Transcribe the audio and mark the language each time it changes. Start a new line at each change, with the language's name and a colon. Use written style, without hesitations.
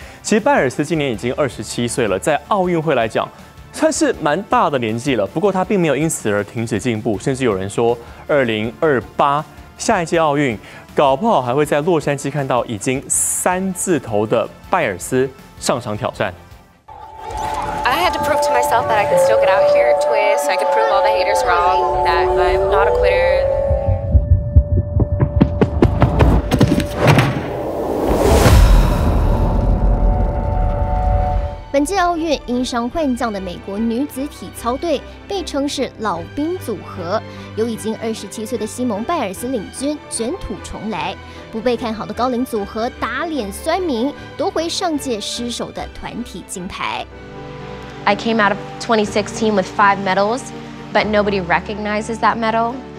Chinese: 其实拜尔斯今年已经27岁了，在奥运会来讲算是蛮大的年纪了。不过她并没有因此而停止进步，甚至有人说2028下一届奥运，搞不好还会在洛杉矶看到已经三字头的拜尔斯上场挑战。
English: I had to prove to myself that I could still get out here, twist, so I could prove all the haters wrong, that I'm not a quitter.
Chinese: 本届奥运因伤换将的美国女子体操队被称是老兵组合，由已经27岁的西蒙拜尔斯领军，卷土重来。不被看好的高龄组合打脸酸民，夺回上届失手的团体金牌。
English: I came out of 2016 with 5 medals, but nobody recognizes that medal.